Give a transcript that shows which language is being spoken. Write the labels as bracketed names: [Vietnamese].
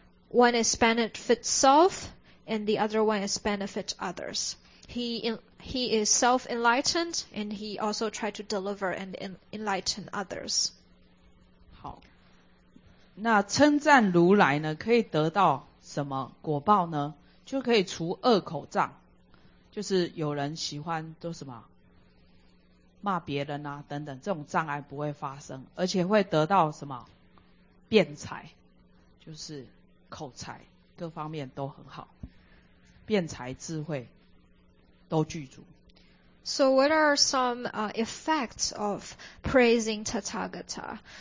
[English] One is benefit self, and the other one is benefit others. He is self-enlightened, and he also tried to deliver and enlighten others. [Chinese] 好。那称赞如来呢，可以得到什么果报呢？就可以除恶口障，就是有人喜欢都什么骂别人啊等等，这种障碍不会发生，而且会得到什么辩才，就是口才各方面都很好，辩才智慧都具足。 [English] So what are some effects of praising Tathagata?